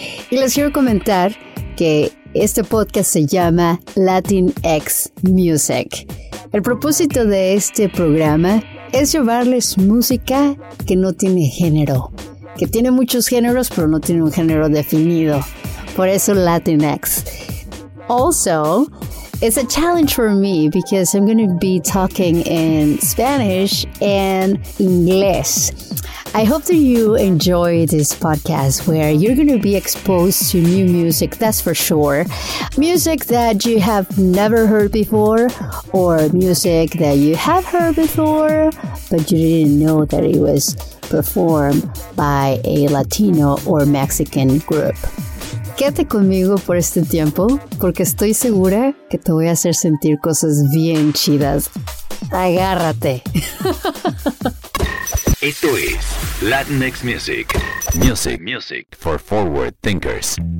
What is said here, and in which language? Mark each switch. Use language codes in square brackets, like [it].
[es] Y les quiero comentar que este podcast se llama Latinx Music. El propósito de este programa es llevarles música que no tiene género, que tiene muchos géneros, pero no tiene un género definido. Por eso Latinx. [en] Also, it's a challenge for me because I'm going to be talking in Spanish and English. I hope that you enjoy this podcast where you're going to be exposed to new music, that's for sure. Music that you have never heard before, or music that you have heard before, but you didn't know that it was performed by a Latino or Mexican group. [es] Quédate conmigo por este tiempo, porque estoy segura que te voy a hacer sentir cosas bien chidas. Agárrate. Esto es Latinx Music. [en] Music for forward thinkers.